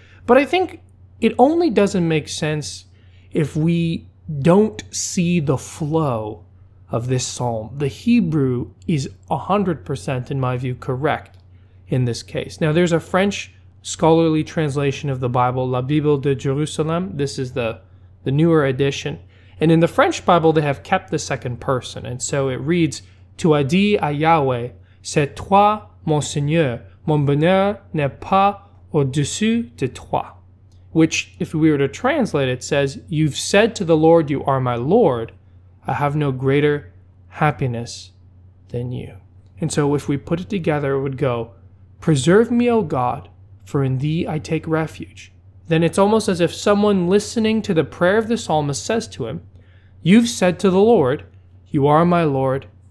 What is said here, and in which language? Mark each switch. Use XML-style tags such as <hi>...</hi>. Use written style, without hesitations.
<en>But I think it only doesn't make sense if we don't see the flow of this psalm. The Hebrew is 100%, in my view, correct in this case. Now, there's a French scholarly translation of the Bible, La Bible de Jérusalem. This is the newer edition. And in the French Bible, they have kept the second person. And so it reads,</en> <fr>Tu as dit à Yahweh, c'est toi, mon Seigneur, mon bonheur n'est pas au-dessus de toi.</fr> <en>Which, if we were to translate it, says, You've said to the Lord, You are my Lord. I have no greater happiness than you. And so if we put it together, it would go, Preserve me, O God, for in thee I take refuge. Then it's almost as if someone listening to the prayer of the psalmist says to him, You've said to the Lord, You are my Lord.</en>